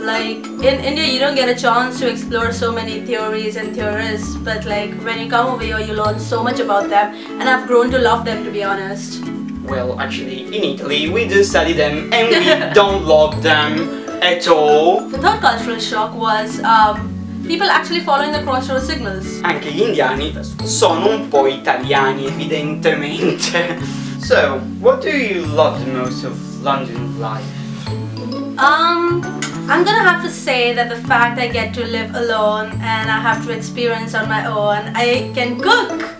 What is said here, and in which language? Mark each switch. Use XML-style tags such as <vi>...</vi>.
<en>Like, in India you don't get a chance to explore so many theories and theorists, but like, when you come over here you learn so much about them, and I've grown to love them, to be honest. Well, actually, in Italy we do study them and we don't love them at all. The third cultural shock was people actually following the crossroad signals.</en> <it>Anche gli indiani sono un po' italiani, evidentemente.</it> <en>So, what do you love the most of London life? I'm gonna have to say that the fact I get to live alone and I have to experience on my own, I can cook!</en>